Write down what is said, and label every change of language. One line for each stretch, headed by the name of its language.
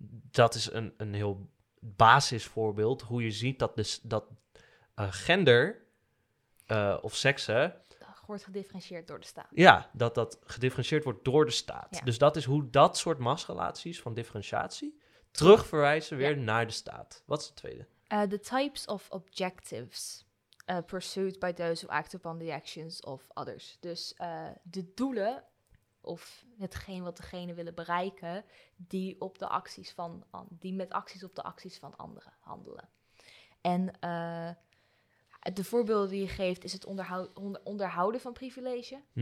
Dutch: Dat is een heel basisvoorbeeld hoe je ziet dat gender of seksen wordt gedifferentieerd door de staat. Ja, dat gedifferentieerd wordt door de staat. Ja. Dus dat is hoe dat soort machtsrelaties van differentiatie terugverwijzen weer naar de staat. Wat is de tweede?
English: The types of objectives pursued by those who act upon the actions of others.
Dutch: Dus de doelen of hetgeen wat degene willen bereiken die op de acties van die met acties op de acties van anderen handelen. En de voorbeelden die je geeft is het onderhouden van privilege. Mm-hmm.